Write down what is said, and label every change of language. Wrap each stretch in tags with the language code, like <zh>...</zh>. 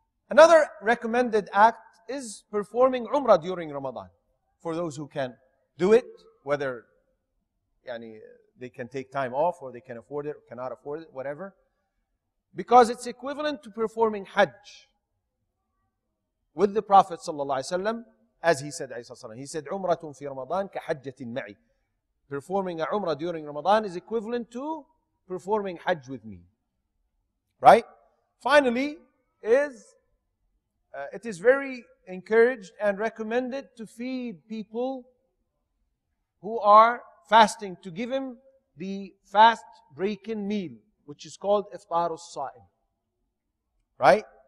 <en>Another recommended act is performing umrah during Ramadan for those who can do it, whether yani, they can take time off or they can afford it or cannot afford it, whatever. Because it's equivalent to performing hajj with the Prophet</en> <ar>sallallahu alayhi wa sallam.</ar> <en>As he said,</en> <ar>عيسى صلى الله عليه وسلم,</ar> <en>he said,</en> <ar>عُمْرَةٌ فِي رَمَضَانِ كَحَجَّةٍ مَعِي.</ar> <en>Performing a umrah during Ramadan is equivalent to performing hajj with me. Right? Finally, it is very encouraged and recommended to feed people who are fasting, to give them the fast-breaking meal, which is called إفطار الصائم. Right?</en>